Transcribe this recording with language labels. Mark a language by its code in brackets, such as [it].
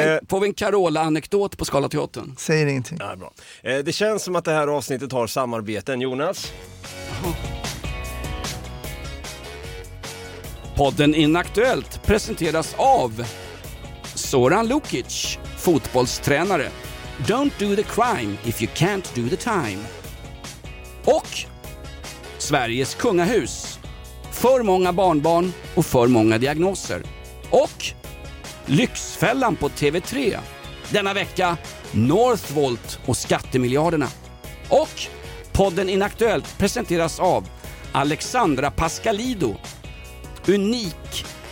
[sv] Får vi en Carola-anekdot på Skalateatern? Säger ingenting. Ja, bra. Det känns som att det här avsnittet har samarbeten, Jonas. Podden Inaktuellt presenteras av Zoran Lukic, fotbollstränare. [en] Don't do the crime if you can't do the time. [sv] Och Sveriges kungahus. För många barnbarn och för många diagnoser. Och Lyxfällan på TV3. Denna vecka Northvolt och skattemiljarderna. Och podden Inaktuellt presenteras av Alexandra Pascalido. Unik.